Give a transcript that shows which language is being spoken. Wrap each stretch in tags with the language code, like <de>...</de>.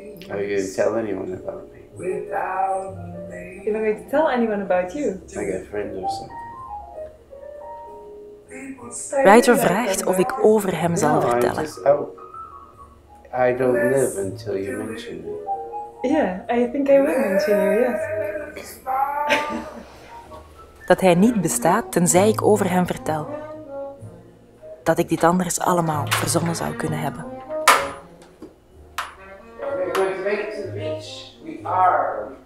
<en>Are you going to tell anyone about me? You're not going to tell anyone about you? Like a friend or something.</en> <nl>Ryder vraagt of ik over hem zal vertellen.</nl> <en>I don't live until you mention me. Yeah, I think I will mention you, yes.</en> <nl>Dat hij niet bestaat tenzij ik over hem vertel. Dat ik dit anders allemaal verzonnen zou kunnen hebben.</nl> <en>We're going to make it to the beach.</en>